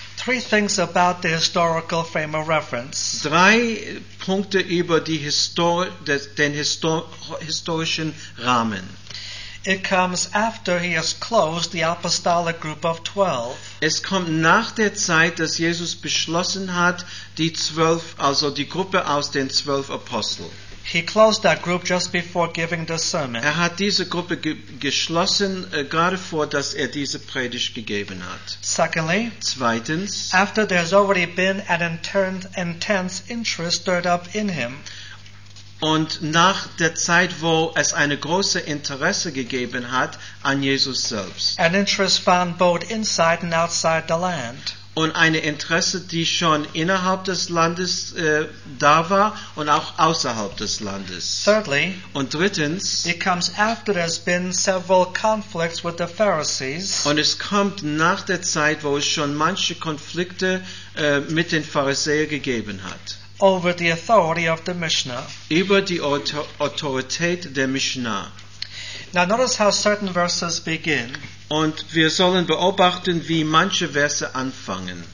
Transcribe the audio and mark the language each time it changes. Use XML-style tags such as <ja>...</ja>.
<en>Three things about the historical frame of reference.</en> <de>Drei Punkte über die historischen Rahmen.</de> <en>It comes after he has closed the apostolic group of 12.</en> <de>Es kommt nach der Zeit, dass Jesus beschlossen hat, die 12, also die Gruppe aus den 12 Aposteln.</de> <en>He closed that group just before giving the sermon.</en> <de>Er hat diese Gruppe geschlossen gerade vor, dass er diese Predigt gegeben hat.</de> <en>Secondly,</en> <de>zweitens,</de> <en>after there has already been an intense interest stirred up in him.</en> <de>Und nach der Zeit, wo es eine große Interesse gegeben hat an Jesus selbst.</de> <en>An interest found both inside and outside the land.</en> <de>Und eine Interesse, die schon innerhalb des Landes da war und auch außerhalb des Landes.</de> <en>Thirdly,</en> <de>und drittens,</de> <en>it comes after there's been several conflicts with the Pharisees.</en> <de>Und es kommt nach der Zeit, wo es schon manche Konflikte mit den Pharisäern gegeben hat.</de> <en>Over the authority of the Mishnah.</en> <de>Über die Autorität der Mishnah.</de> <en>Now notice how certain verses begin.</en> <de>Und wir sollen beobachten, wie manche Verse anfangen.</de>